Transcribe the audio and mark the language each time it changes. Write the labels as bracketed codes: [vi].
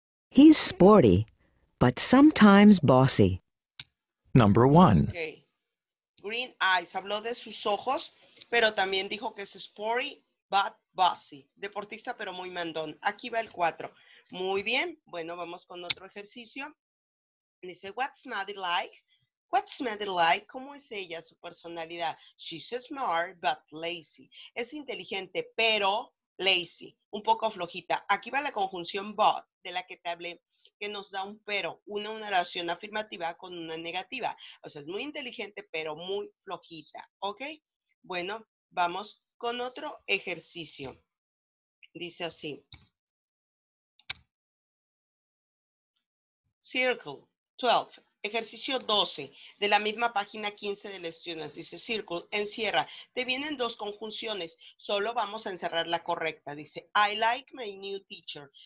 [en] He's sporty but sometimes bossy. Number 1. Okay. [es] Green eyes, habló de sus ojos, pero también dijo que es [en] sporty, but bossy. [es] Deportista, pero muy mandón. Aquí va el 4. Muy bien, bueno, vamos con otro ejercicio. Dice, [en] what's Maddie like? What's Maddie like? [es] ¿Cómo es ella, su personalidad? [en] She's smart, but lazy. [es] Es inteligente, pero lazy. Un poco flojita. Aquí va la conjunción but, de la que te hablé, que nos da un pero, una oración afirmativa con una negativa. O sea, es muy inteligente, pero muy flojita, ¿ok? Bueno, vamos con otro ejercicio. Dice así. Circle, 12, ejercicio 12, de la misma página 15 de lecciones. Dice, circle, encierra. Te vienen dos conjunciones, solo vamos a encerrar la correcta. Dice, [en] I like my new teacher.